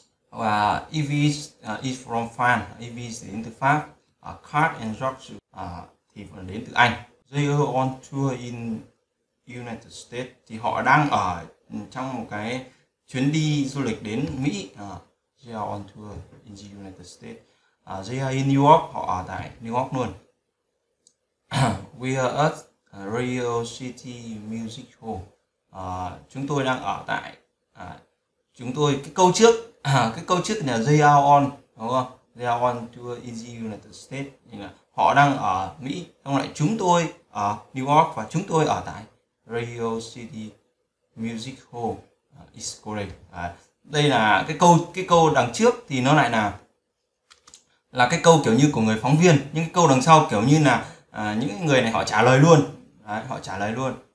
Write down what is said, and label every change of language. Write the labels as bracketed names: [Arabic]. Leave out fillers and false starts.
[Vietnamese] Và [English] Yves is from France. [Vietnamese] Yves đến từ Pháp. Kat and George thì đến từ Anh. [English] They are on tour in United States, [Vietnamese] thì họ đang ở trong một cái chuyến đi du lịch đến Mỹ. [English] They are on tour in the United States. They are in New York, [Vietnamese] họ ở tại New York luôn. [English] We are at Radio City Music Hall. [Vietnamese] Chúng tôi đang ở tại, chúng tôi, cái câu trước là [English] they are on, [Vietnamese] đúng không? [English] They are on tour in the United States. [Vietnamese] Là họ đang ở Mỹ, không lại chúng tôi ở New York và chúng tôi ở tại Radio City Music Hall. [English] It's great. [Vietnamese] Đây là cái câu đằng trước thì nó lại là cái câu kiểu như của người phóng viên, nhưng cái câu đằng sau kiểu như là những người này họ trả lời luôn. Đấy, họ trả lời luôn.